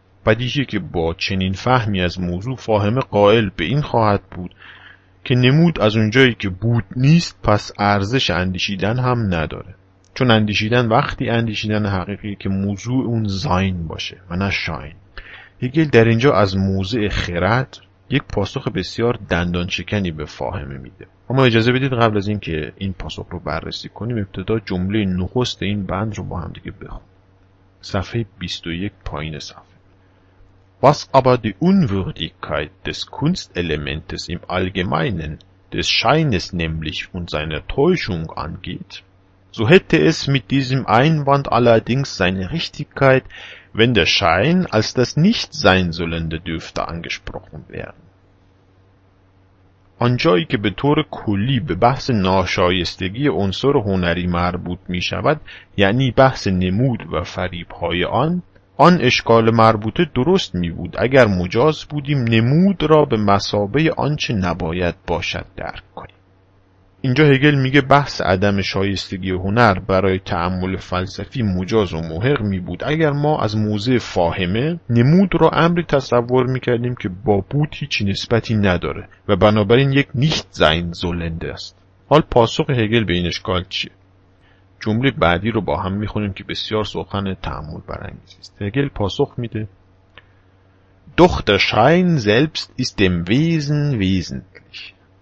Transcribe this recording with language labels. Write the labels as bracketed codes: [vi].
[fa] بدیهیه که با چنین فهمی از موضوع فاهمه قائل به این خواهد بود که نمود از اونجایی که بود نیست پس ارزش اندیشیدن هم نداره، چون اندیشیدن وقتی اندیشیدن حقیقی که موضوع اون زاین باشه و نه شاین. هگل در اینجا از موضع خرد یک پاسخ بسیار دندانشکنی به فاهمه میده. اما اجازه بدید قبل از اینکه این پاسخ رو بررسی کنیم ابتدا جمله نخست این بند رو با هم دیگه بخونیم. صفحه 21 پایین صفحه. [de] Was aber die Unwürdigkeit des Kunstelementes im Allgemeinen, des Scheines nämlich und seiner Täuschung angeht, so hätte es mit diesem Einwand allerdings seine Richtigkeit, wenn der Schein als das Nichtseinsollende dürfte angesprochen werden. [fa] آنجایی که به طور کلی به بحث ناشایستگی عنصر هنری مربوط می شود، یعنی بحث نمود و فریب‌های آن، آن اشکال مربوطه درست می بود اگر مجاز بودیم نمود را به مثابه آنچه نباید باشد درک کنیم. اینجا هگل میگه بحث عدم شایستگی هنر برای تأمل فلسفی مجاز و محق می بود اگر ما از موضع فاهمه نمود را امری تصور می کردیم که با بود هیچ نسبتی نداره و بنابراین یک نیشت زین زولنده است. حال پاسخ هگل به این اشکال چیه؟ جمله بعدی رو با هم میخونیم که بسیار سخن تأمل برانگیزی است. هگل پاسخ میده: [de] Doch der Schein selbst ist dem Wesen wesentlich.